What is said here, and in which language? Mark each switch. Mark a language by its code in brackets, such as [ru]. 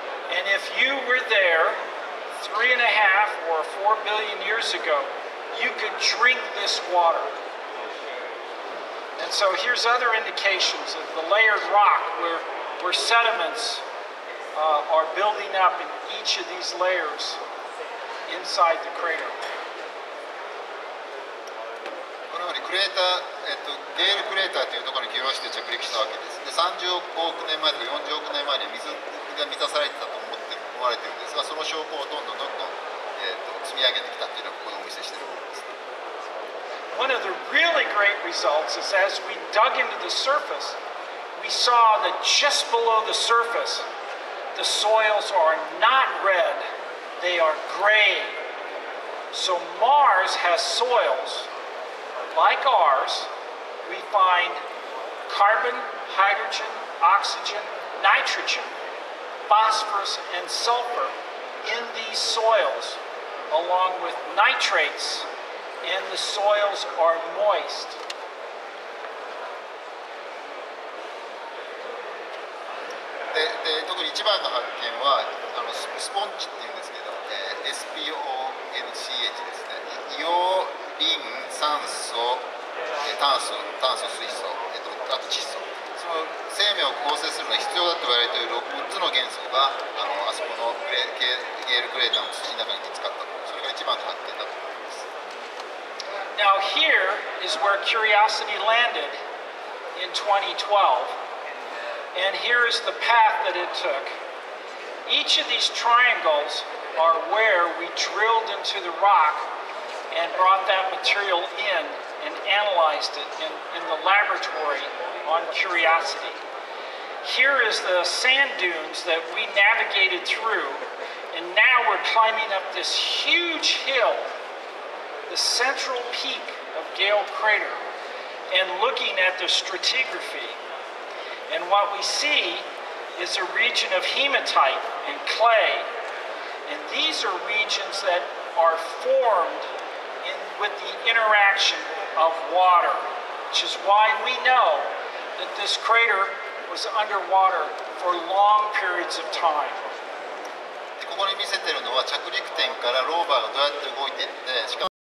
[en] And if you were there 3.5 or 4 billion years ago,You could drink this water. And so here's other indications of the layered rock where sediments are building up in each of these layers inside the crater. [ja] このようにクレーター、ゲールクレーターというところに起用して着陸したわけです。で、30億年前と40億年前に水が満たされてたと思われているんですが、その証拠をどんどん積み上げてきたというのがここでお見せしている。 [en] One of the really great results is as we dug into the surface, we saw that just below the surface, the soils are not red, they are gray. So Mars has soils like ours. We find carbon, hydrogen, oxygen, nitrogen, phosphorus, and sulfur in these soils, along with nitrates, and the soils are moist. [ja] で特に一番の発見はあのスポンジっていうんですけど、SPONCH ですね、硫黄、リン、酸素、炭素、水素、あと窒素、その生命を構成するのに必要だと言われている6つの元素が あそこのゲールクレーターの土の中に見つかった、それが一番の発見だと思います。 [en] Now here is where curiosity landed in 2012. And here is the path that it took. Each of these triangles are where we drilled into the rock and brought that material in and analyzed it in the laboratory on Curiosity. Here is the sand dunes that we navigated through, and now we're climbing up this huge hill, the central peak of Gale Crater, and looking at the stratigraphy. And what we see is a region of hematite and clay. And these are regions that are formed with the interaction of water, which is why we know that this crater was underwater for long periods of time. [ja] ここに見せているのは着陸点からローバーがどうやって動いていって、